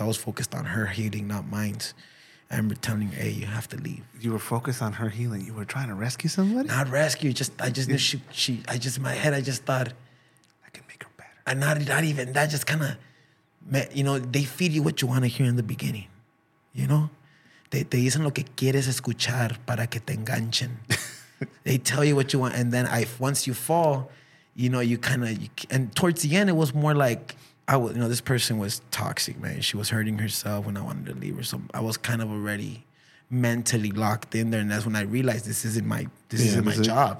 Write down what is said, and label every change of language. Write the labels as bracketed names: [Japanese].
[English] I was focused on her healing, not mine. I remember telling her, hey, you have to leave. You were focused on her healing. You were trying to rescue somebody? Not rescue. I just thought. I can make her better. And not even that, just kind of, you know, they feed you what you want to hear in the beginning. You know? [Spanish] Te dicen lo que quieres escuchar para que te enganchen. [English] They tell you what you want. And then once you fall, you know, you kind of, and towards the end, it was more like, I was, you know, this person was toxic, man. She was hurting herself when I wanted to leave her. So I was kind of already mentally locked in there. And that's when I realized this isn't my job.